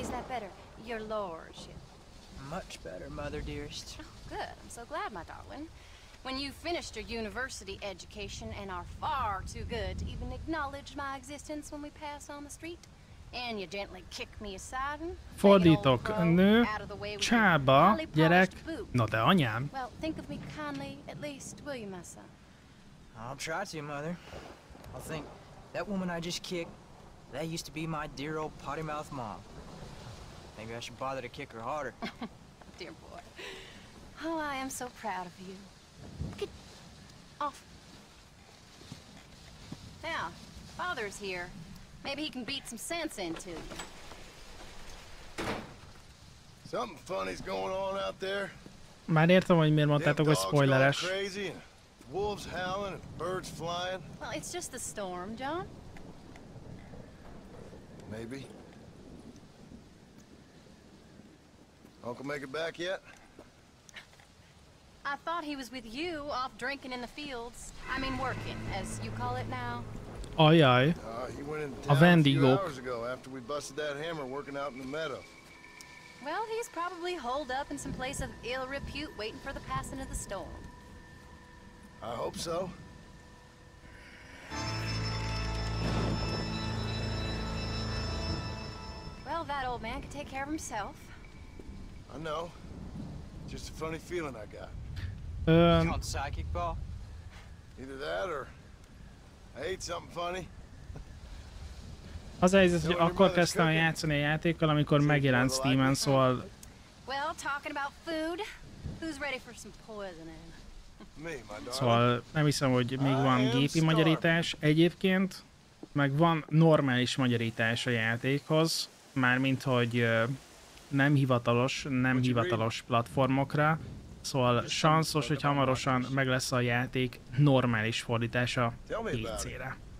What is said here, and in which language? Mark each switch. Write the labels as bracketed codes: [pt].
[en] Is that better, your lordship? Much better, mother dearest. Oh, good. I'm so glad, my darling. When you've finished your university education and are far too good to even acknowledge my existence when we pass on the street, and you gently kick me aside and [hu] fordítok, nő, csába, gyerek, no de anyám. [en] Well, think of me kindly, at least, will you, my son? I'll try to, mother. I'll think, that woman I just kicked, that used to be my dear old potty mouth mom. Maybe I should bother to kick her harder. Dear boy. Oh, I am so proud of you. Get off. Now, father's here. Maybe he can beat some sense into you. Something funny's going on out there. [hu] Már értem, hogy miért mondtátok, hogy spoileres. [en] Crazy, and wolves howling and birds flying. Well, it's just the storm, John. Maybe. Uncle make it back yet? I thought he was with you, off drinking in the fields. I mean working, as you call it now. [hu] Ajaj. [en] He went into town a few hours ago after we busted that hammer working out in the meadow. Well, he's probably holed up in some place of ill repute waiting for the passing of the storm. I hope so. Well, that old man could take care of himself. I know. Just a funny feeling I got. Called psychic ball? Either that or I ate something funny. [hu] Az a helyzet, hogy akkor kezdtem játszani a játékkal, amikor megjelent Steamen, szóval... [en] Well, talking about food, who's ready for some poisoning? Me, my darling. [hu] Szóval nem hiszem, hogy még van gépi magyarítás egyébként, meg van normális magyarítás a játékhoz, mármint, hogy nem hivatalos platformokra, szóval sanszos, hogy hamarosan meg lesz a játék normális fordítása PC-re.